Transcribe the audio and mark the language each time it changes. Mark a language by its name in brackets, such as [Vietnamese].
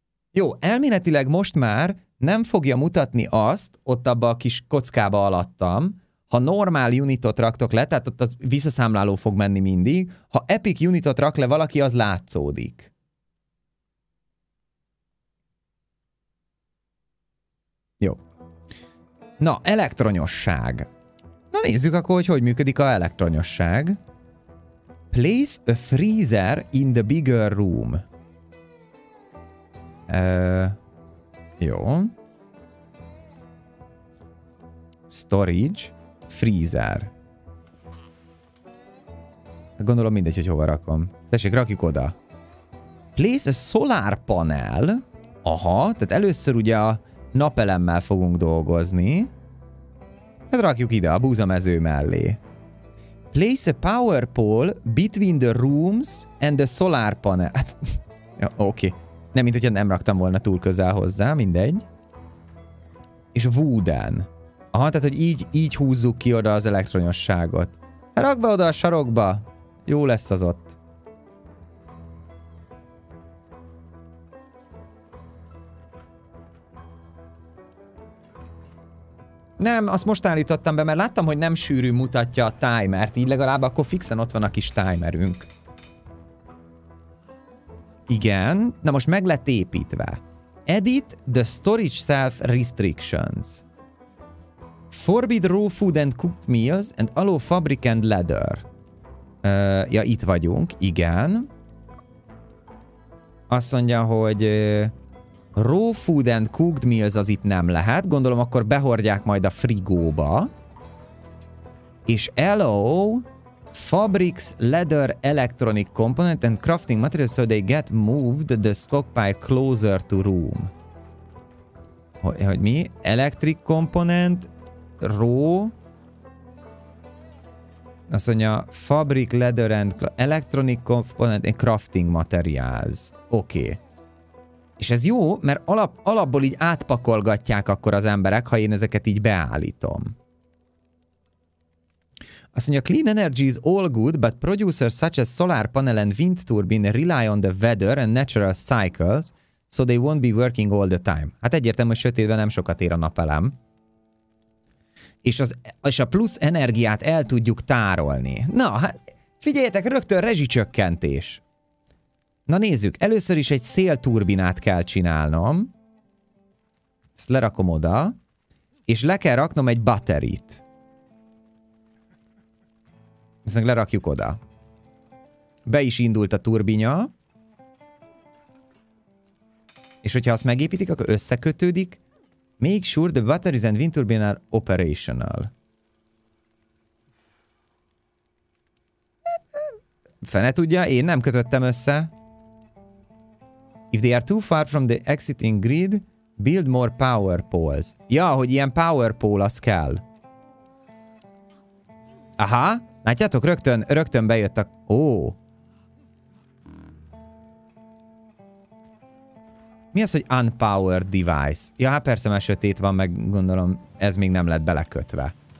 [Hungarian] Jó, elméletileg most már nem fogja mutatni azt, ott abba a kis kockába alattam, ha normál unitot raktok le, tehát ott a visszaszámláló fog menni mindig, ha epic unitot rak le valaki, az látszódik. Jó. Na, elektronosság. Na nézzük akkor, hogy hogy működik a elektronosság. [English] Place a freezer in the bigger room. [Hungarian] Jó. [English] Storage. Freezer. [Hungarian] Gondolom mindegy, hogy hova rakom. Tessék, rakjuk oda. [English] Place a solar panel. [Hungarian] Aha, tehát először ugye a napelemmel fogunk dolgozni. Hát rakjuk ide a búzamező mellé. [English] Place a power pole between the rooms and the solar panel. [Hungarian] Hát, ja, oké. Nem, mint hogyha nem raktam volna túl közel hozzá, mindegy. És wooden. Aha, tehát, hogy így húzzuk ki oda az elektronosságot. Rak be oda a sarokba. Jó lesz az ott. Nem, azt most állítottam be, mert láttam, hogy nem sűrű mutatja a timert. Így legalább akkor fixen ott van a kis timerünk. Igen. Na most meg lett építve. [English] Edit the storage self restrictions. Forbid raw food and cooked meals and allow fabric and leather. [Hungarian] Ja, itt vagyunk. Igen. Azt mondja, hogy [English] raw food and cooked meals [Hungarian] az itt nem lehet. Gondolom, akkor behordják majd a frigóba. És [English] allow fabrics, leather, electronic component and crafting materials so they get moved the stockpile closer to room. [Hungarian] Hogy mi? [English] Electric component, raw, [Hungarian] azt mondja, [English] fabric, leather and electronic component and crafting materials. Oké. [Hungarian] És ez jó, mert alapból így átpakolgatják akkor az emberek, ha én ezeket így beállítom. Azt mondja, [English] clean energy is all good, but producers such as solar panel and wind turbine rely on the weather and natural cycles, so they won't be working all the time. [Hungarian] Hát egyértelmű, hogy sötétben nem sokat ér a napelem. És a plusz energiát el tudjuk tárolni. Na, hát figyeljetek, rögtön rezsicsökkentés. Na nézzük, először is egy szélturbinát kell csinálnom. Ezt lerakom oda. És le kell raknom egy batterit. Ezt meg lerakjuk oda. Be is indult a turbinya. És hogyha azt megépítik, akkor összekötődik. [English] Make sure the batteries and wind turbine are operational. [Hungarian] Fene tudja, én nem kötöttem össze. [English] If they are too far from the exiting grid, build more power poles. [Hungarian] Ja, hogy ilyen power pole az kell. Aha, látjátok, rögtön bejött a... Ó. Mi az, hogy unpowered device? Ja, hát persze, mert sötét van, meg gondolom ez még nem lett belekötve.